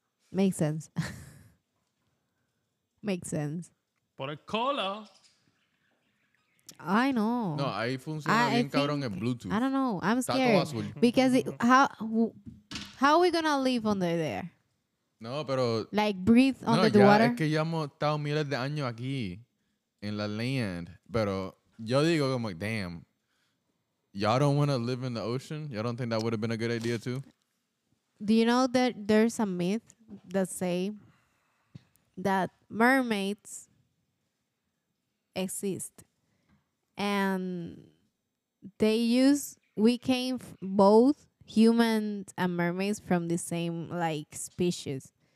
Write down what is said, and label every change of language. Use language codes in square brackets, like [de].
[en] Makes sense. Makes sense. [es] Por el cola. [en] I know. [es] No, ahí funciona bien cabrón el Bluetooth. [en] I don't know. I'm scared. Because how are we going to live under there? [es] No, pero... [en] Like breathe under the water? [es] No, es que ya hemos estado miles de años aquí en la [en] land. [es] Pero yo digo, [en] I'm like, damn. Y'all don't want to live in the ocean? Y'all don't think that would have been a good idea too? Do you know that there's a myth that say that mermaids exist? And we came both humans and mermaids from the same like species.